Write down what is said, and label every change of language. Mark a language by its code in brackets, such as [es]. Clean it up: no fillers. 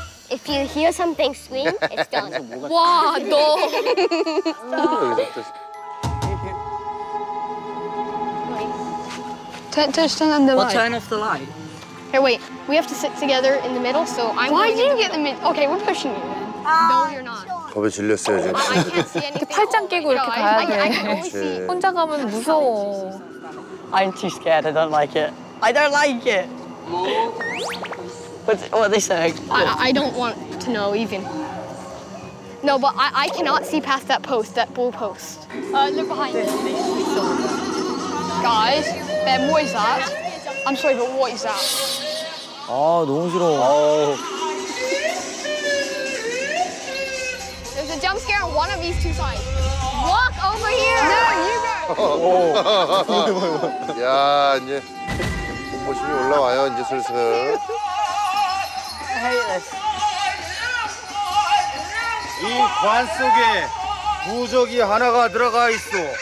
[en] If you hear something scream, it's done. [ko] 와, 너. [en] turn on the light. What, turn off the light? Here, wait. We have to sit together in the middle, so I'm Why did you get the middle? Okay, we're pushing you. No, you're not. [ko] 겁에 질렸어요, 지금. 이렇게 팔짱 끼고 이렇게 가야 돼. 혼자 가면 무서워. [en] I'm too scared. I don't like it. I don't like it. What they say? I don't want to know even. No, but I cannot see past that post, that bull post. Look behind you. Guys, Ben, what is that? I'm sorry, but what is that? [ko] 아, 너무 싫어. 아. [en] There's a jump scare on one of these two sides. Walk over here. No, you go. [ko] 야, 이제 공포심이 올라와요, 이제 슬슬. Hey, 이 관 속에 부적이 하나가 들어가 있어.